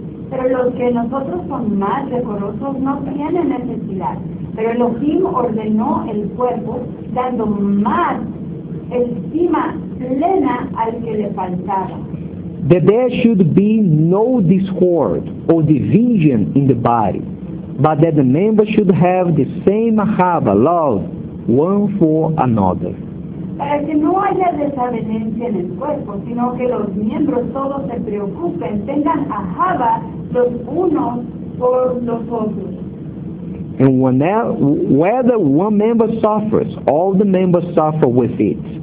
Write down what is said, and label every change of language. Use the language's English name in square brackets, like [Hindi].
[Spanish] Pero los que nosotros son más decorosos no tienen necesidad, pero Elohim ordenó el cuerpo dando más estima plena al que le faltaba. [English] That there should be no discord or division in the body, but that the members should have the same ahava, love, one for another. [Spanish] Para que no haya desavenencia en el cuerpo, sino que los miembros todos se preocupen, tengan ahava los unos por los otros. [English] And whether one member suffers, all the members suffer with it.